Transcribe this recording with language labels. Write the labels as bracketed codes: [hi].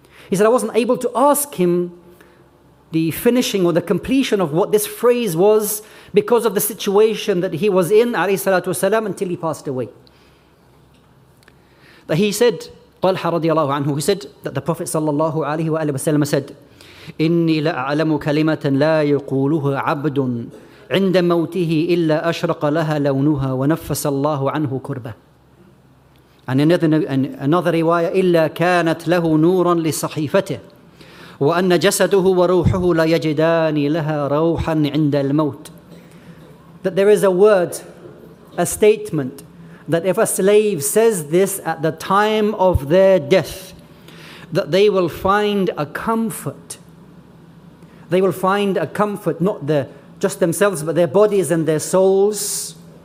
[en] He said, I wasn't able to ask him the finishing or the completion of what this phrase was because of the situation that he was in, alayhi salatu wasalam, until he passed away. That he said, Talha radiallahu anhu, he said that the Prophet sallallahu alayhi wa sallam said, إِنِّي لَأَعْلَمُ كَلِمَةً لَا يَقُولُهُ عَبْدٌ [ar] عند موته إلا أشرق لها لونها ونفس الله عنه كربة. Another رواية: إلا كانت له نورا لصحيفته وأن جسده وروحه لا يجدان لها روحا عند الموت. [en] That there is a word, a statement, that if a slave says this at the time of their death, that they will find a comfort. They will find a comfort, not the just themselves, but their bodies and their souls.